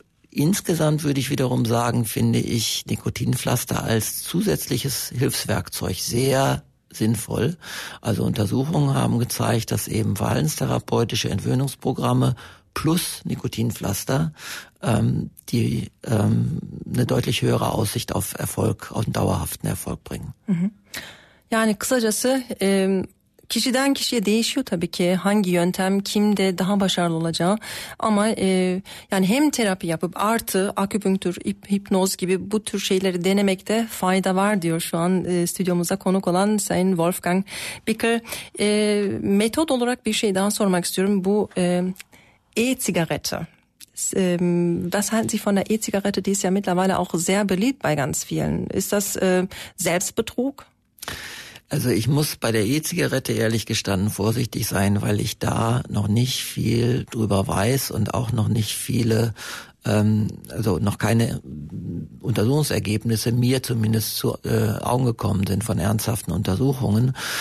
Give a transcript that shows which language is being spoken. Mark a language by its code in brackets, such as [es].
[de] Insgesamt würde ich wiederum sagen, finde ich Nikotinpflaster als zusätzliches Hilfswerkzeug sehr sinnvoll. Also Untersuchungen haben gezeigt, dass eben verhaltenstherapeutische Entwöhnungsprogramme plus Nikotinpflaster eine deutlich höhere Aussicht auf Erfolg, auf einen dauerhaften Erfolg bringen. [tr] Yani kısacası kişiden kişiye değişiyor tabii ki hangi yöntem kimde daha başarılı olacağı ama yani hem terapi yapıp artı akupunktur, hipnoz gibi bu tür şeyleri denemekte fayda var diyor şu an stüdyomuza konuk olan Sayın Wolfgang Bickel. Metot olarak bir şey daha sormak istiyorum. Bu E-Zigarette. [de] Was halten Sie von der E-Zigarette? Die ist ja mittlerweile auch sehr beliebt bei ganz vielen. Ist das Selbstbetrug? Also ich muss bei der E-Zigarette ehrlich gestanden vorsichtig sein, weil ich da noch nicht viel drüber weiß und auch noch nicht viele, also noch keine Untersuchungsergebnisse mir zumindest zu Augen gekommen sind von ernsthaften Untersuchungen.